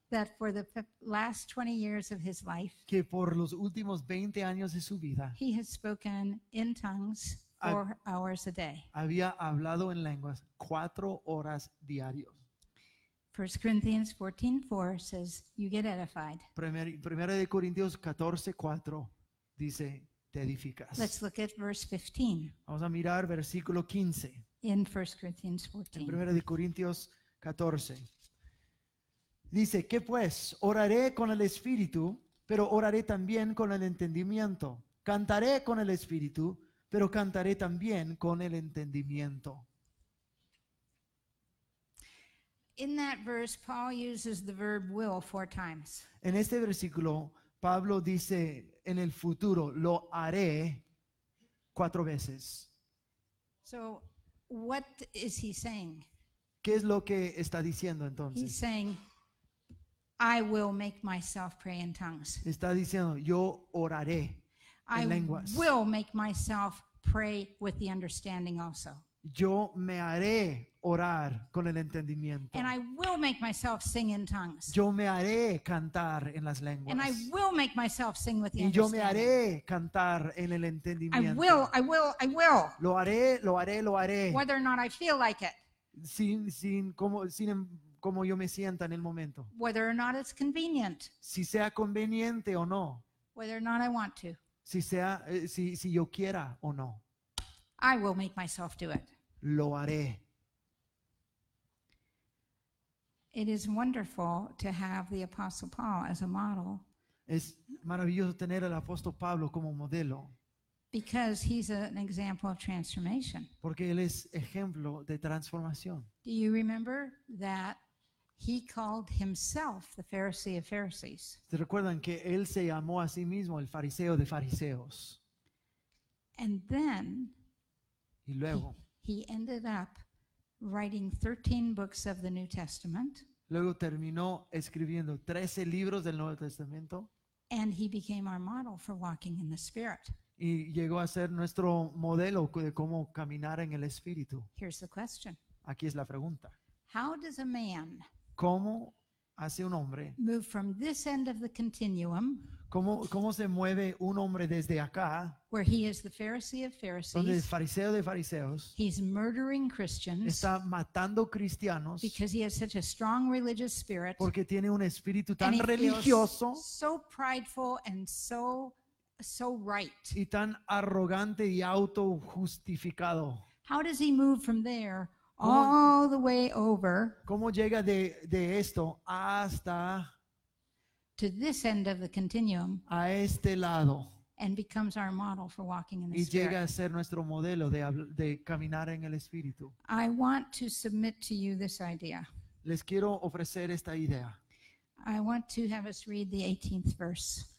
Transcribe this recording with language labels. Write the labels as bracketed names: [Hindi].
[English] That for the last 20 years of his life. [Spanish] Que por los últimos 20 años de su vida. [English] He has spoken in tongues 4 hours a day. [Spanish] Había hablado en lenguas 4 horas diarios. [English] 1 Corinthians 14:4 says, you get edified. [Spanish] Primera de Corintios 14:4 dice, te edificas. [English] Let's look at verse 15. [Spanish] Vamos a mirar versículo 15. [English] In 1 Corinthians 14. [Spanish] En Primera de Corintios 14. Dice, ¿qué pues? Oraré con el Espíritu, pero oraré también con el entendimiento. Cantaré con el Espíritu, pero cantaré también con el entendimiento. [English] In that verse, Paul uses the verb will 4 times. [Spanish] En este versículo, Pablo dice en el futuro, lo haré 4 veces. [English] So, what is he saying? [Spanish] ¿Qué es lo que está diciendo entonces? [English] He's saying, I will make myself pray in tongues. [Spanish] Está diciendo, yo oraré en lenguas. [English] I will make myself pray with the understanding also. [Spanish] Yo me haré orar con el entendimiento. [English] And I will make myself sing in tongues. [Spanish] Yo me haré cantar en las lenguas. [English] And I will make myself sing with the [Spanish] y yo me haré cantar en el entendimiento. [English] I will. [Spanish] Lo haré. [English] Whether or not I feel like it. [Spanish] Sin como yo me sienta en el momento. [English] Whether or not it's convenient. [Spanish] Si sea conveniente o no. [English] Whether or not I want to. [Spanish] Si yo quiera o no. [English] I will make myself do it. [Spanish] Lo haré. [English] It is wonderful to have the Apostle Paul as a model. [Spanish] Es maravilloso tener al Apóstol Pablo como modelo. [English] Because he's an example of transformation. [Spanish] Porque él es ejemplo de transformación. [English] Do you remember that he called himself the Pharisee of Pharisees? [Spanish] ¿Te recuerdan que él se llamó a sí mismo el fariseo de fariseos? [English] And then [Spanish] y luego, [English] he ended up writing 13 books of the New Testament. [Spanish] Luego terminó escribiendo 13 libros del Nuevo Testamento. [English] And he became our model for walking in the Spirit. [Spanish] Y llegó a ser nuestro modelo de cómo caminar en el Espíritu. [English] Here's the question. [Spanish] Aquí es la pregunta. [English] How does a man, [Spanish] ¿cómo hace un hombre, [English] move from this end of the continuum? [Spanish] ¿Cómo se mueve un hombre desde acá? [English] Where he is the Pharisee of Pharisees. [Spanish] Donde es fariseo de fariseos. [English] He's murdering Christians. [Spanish] Está matando cristianos. [English] Because he has such a strong religious spirit. [Spanish] Porque tiene un espíritu tan religioso. [English] So prideful and so right. [Spanish] Y tan arrogante y autojustificado. [English] How does he move from there all the way over? [Spanish] ¿Cómo llega de esto hasta [English] to this end of the continuum, [Spanish] a este lado, [English] and becomes our model for walking in the Spirit? [Spanish] Y llega a ser nuestro modelo de caminar en el Espíritu. [English] I want to submit to you this idea. [Spanish] Les quiero ofrecer esta idea. [English] I want to have us read the 18th verse.